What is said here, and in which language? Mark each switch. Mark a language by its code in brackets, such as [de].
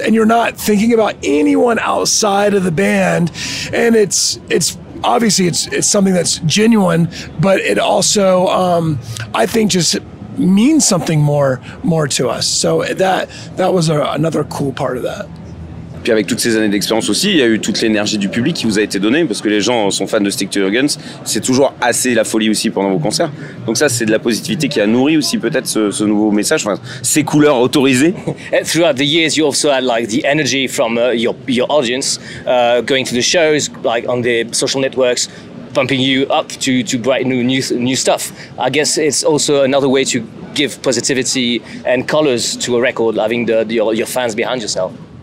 [en] And you're not thinking about anyone outside of the band. And it's obviously it's something that's genuine, but it also I think just means something more to us. So that was another cool part of that. [fr] Puis avec toutes ces années d'expérience aussi, il y a eu toute l'énergie du public qui vous a été donnée, parce que les gens sont fans de Stick to Your Guns. C'est toujours assez la folie aussi pendant vos concerts. Donc ça, c'est de la positivité qui a nourri aussi peut-être ce nouveau message, enfin, ces couleurs autorisées. [en] And throughout the years, you also had like the energy from your audience going to the shows, like on the social networks, pumping you up to bright new stuff. I guess it's also another way to give positivity and colors to a record, having your fans behind yourself.